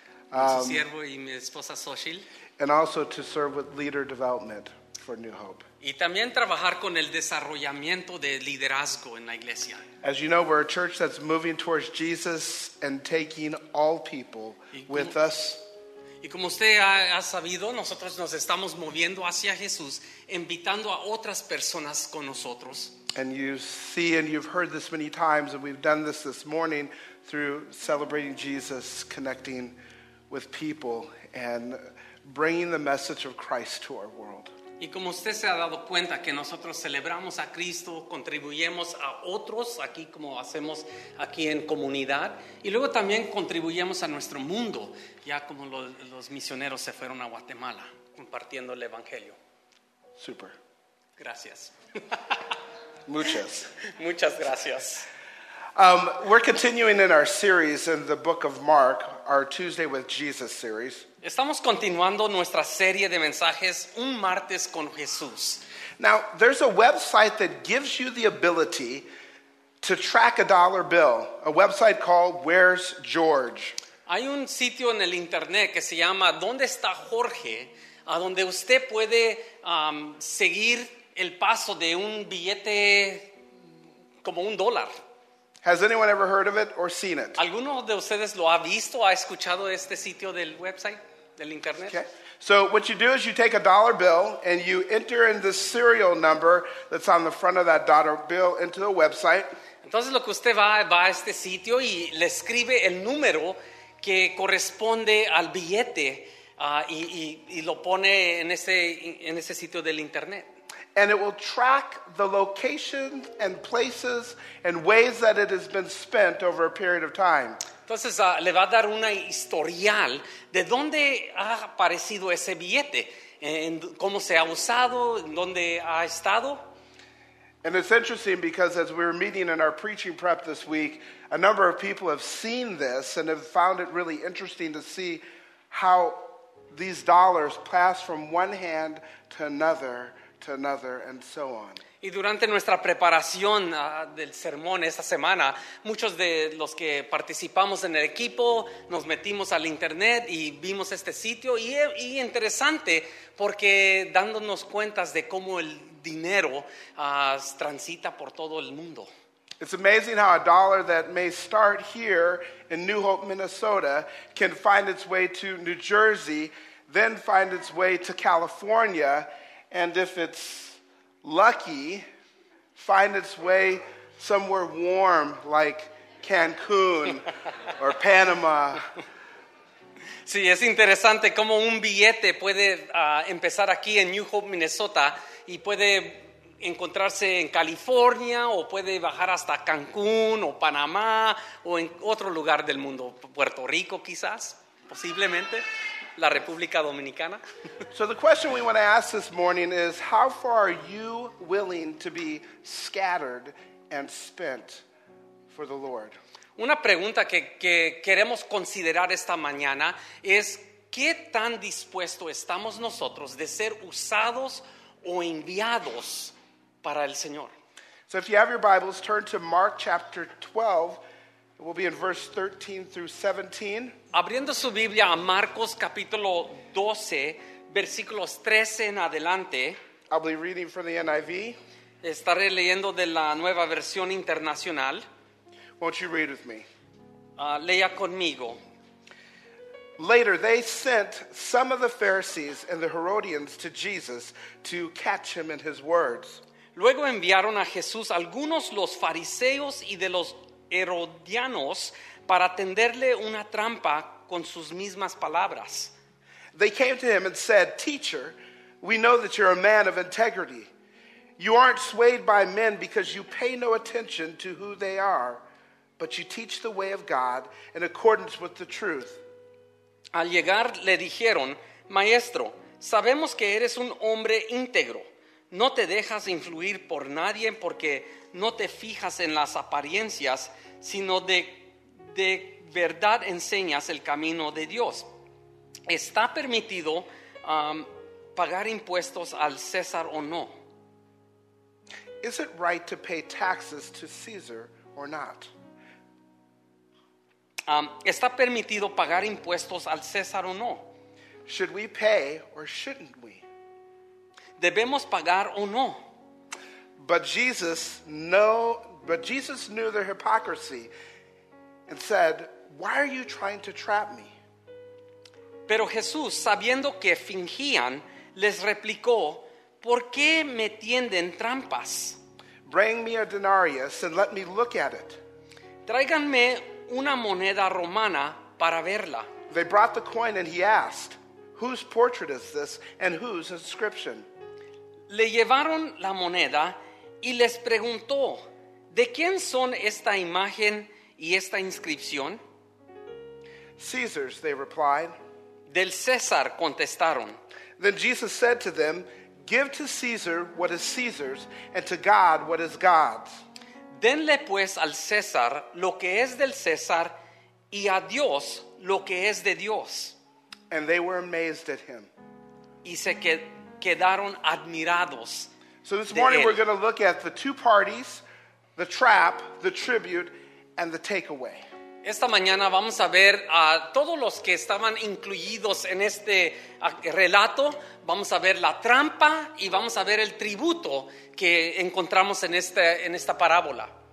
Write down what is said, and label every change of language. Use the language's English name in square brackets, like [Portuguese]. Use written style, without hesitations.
[Spanish] Su siervo y mi esposa Soshil. [English] And also to serve with leader development for New Hope. [Spanish] Y también trabajar con el desarrollamiento de liderazgo en la iglesia. [English] As you know, we're a church that's moving towards Jesus and taking all people with us. [Spanish] Y como usted ha sabido, nosotros nos estamos moviendo hacia Jesús, invitando a otras personas con nosotros. [English] And you see and you've heard this many times, and we've done this morning through celebrating Jesus, connecting with people and bringing the message of Christ to our world. [Spanish] Y como usted se ha dado cuenta que nosotros celebramos a Cristo, contribuyemos a otros aquí como hacemos aquí en comunidad, y luego también contribuyemos a nuestro mundo, ya como los misioneros se fueron a Guatemala compartiendo el evangelio. Super. Gracias. Muchas. Muchas gracias. [English] We're continuing in our series in the book of Mark, our Tuesday with Jesus series. [Spanish] Estamos continuando nuestra serie de mensajes Un Martes con Jesús. [English] Now, there's a website that gives you the ability to track a dollar bill, a website called Where's George? [Spanish] Hay un sitio en el internet que se llama ¿Dónde está Jorge? A donde usted puede seguir el paso de un billete como un dólar. [English] Has anyone ever heard of it or seen it? [Spanish] ¿Alguno de ustedes lo ha visto, ha escuchado este sitio del website, del internet? [English] Okay. So what you do is you take a dollar bill and you enter in the serial number that's on the front of that dollar bill into the website. [Spanish] Entonces lo que usted va a este sitio y le escribe el número que corresponde al billete y lo pone en ese sitio del internet. [English] And it will track the locations and places and ways that it has been spent over a period of time. [Spanish] Entonces, le va a dar una historial de dónde ha aparecido ese billete, en cómo se ha usado, dónde ha estado. [English] And it's interesting because as we were meeting in our preaching prep this week, a number of people have seen this and have found it really interesting to see how these dollars pass from one hand to another, and so on. [Spanish] Y durante nuestra preparación del sermón esta semana, muchos de los que participamos en el equipo nos metimos al internet y vimos este sitio. Y interesante, porque dándonos cuentas de cómo el dinero transita por todo el mundo. [English] It's amazing how a dollar that may start here in New Hope, Minnesota, can find its way to New Jersey, then find its way to California, and if it's lucky, find its way somewhere warm like Cancun or Panama. [Spanish] Sí, es interesante cómo un billete puede empezar aquí en New Hope, Minnesota, y puede encontrarse en California, o puede bajar hasta Cancún, o Panamá, o en otro lugar del mundo, Puerto Rico quizás, posiblemente, la República Dominicana. [English] So the question we want to ask this morning is, how far are you willing to be scattered and spent for the Lord? [Spanish] Una pregunta que queremos considerar esta mañana es, ¿qué tan dispuesto estamos nosotros de ser usados o enviados para el Señor? [English] So if you have your Bibles, turn to Mark chapter 12. It will be in verse 13 through 17. [Spanish] Abriendo su Biblia a Marcos capítulo 12, versículos 13 en adelante. [English] I'll be reading from the NIV. [Spanish] Estaré leyendo de la Nueva Versión Internacional. [English] Won't you read with me? [Spanish] Lea conmigo. [English] Later, they sent some of the Pharisees and the Herodians to Jesus to catch him in his words. [Spanish] Luego enviaron a Jesús algunos los fariseos y de los herodianos para tenderle una trampa con sus mismas palabras. [English] They came to him and said, "Teacher, we know that you're a man of integrity. You aren't swayed by men because you pay no attention to who they are, but you teach the way of God in accordance with the truth." [Spanish] Al llegar le dijeron, "Maestro, sabemos que eres un hombre íntegro. No te dejas influir por nadie porque no te fijas en las apariencias, sino de verdad enseñas el camino de Dios. ¿Está permitido pagar impuestos al César o no?" [English] "Is it right to pay taxes to Caesar or not?" [Spanish] ¿Está permitido pagar impuestos al César o no? [English] "Should we pay or shouldn't we?" [Spanish] ¿Debemos pagar o no? [English] But Jesus knew their hypocrisy and said, "Why are you trying to trap me?" [Spanish] Pero Jesús, sabiendo que fingían, les replicó, "¿Por qué me tienden trampas?" [English] "Bring me a denarius and let me look at it." [Spanish] Tráiganme una moneda romana para verla. [English] They brought the coin and he asked, "Whose portrait is this and whose inscription?" [Spanish] Le llevaron la moneda y les preguntó, "¿De quién son esta imagen y esta inscripción?" [English] "Caesar's," they replied. [Spanish] "Del César," contestaron. [English] Then Jesus said to them, "Give to Caesar what is Caesar's, and to God what is God's." [Spanish] Denle pues al César lo que es del César, y a Dios lo que es de Dios. [English] And they were amazed at him. [Spanish] Y se quedaron admirados. [English] So this morning we're going to look at the two parties, the trap, the tribute, and the takeaway. [Spanish] Esta mañana vamos a ver a todos los que estaban incluidos en este relato. Vamos a ver la trampa y vamos a ver el tributo que encontramos en esta parábola.